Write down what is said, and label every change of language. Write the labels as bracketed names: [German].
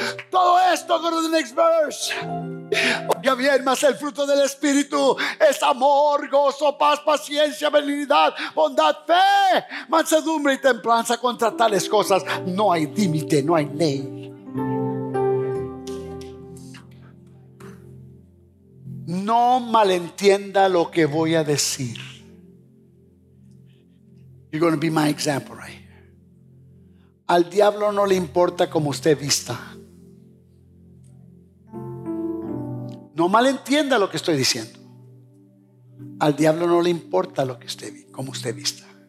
[Spanish] Todo esto, [English] go to the next verse. [Spanish] Oiga bien, más el fruto del Espíritu es amor, gozo, paz, paciencia, benignidad, bondad, fe, mansedumbre y templanza. Contra tales cosas no hay límite, no hay ley. No malentienda lo que voy a decir. [English] You're going to be my example right here. [Spanish] Al diablo no le importa cómo usted vista. No malentienda lo que estoy diciendo. Al diablo no le importa lo que usted, como usted vista.